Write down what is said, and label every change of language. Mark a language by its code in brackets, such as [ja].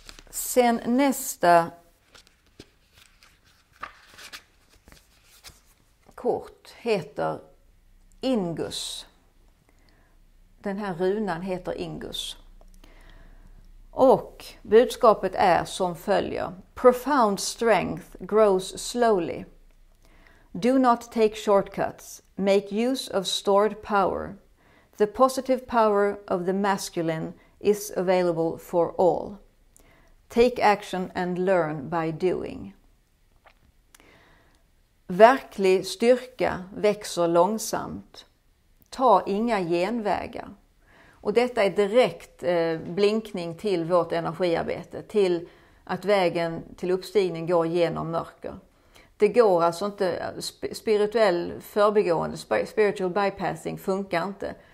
[sv] Sen nästa heter Ingus. Den här runan heter Ingus. Och budskapet är som följer. [en] Profound strength grows slowly. Do not take shortcuts. Make use of stored power. The positive power of the masculine is available for all. Take action and learn by doing. [sv] Verklig styrka växer långsamt. Ta inga genvägar. Och detta är direkt blinkning till vårt energiarbete, till att vägen till uppstigning går genom mörker. Det går alltså inte, spirituell förbigående, spiritual bypassing funkar inte.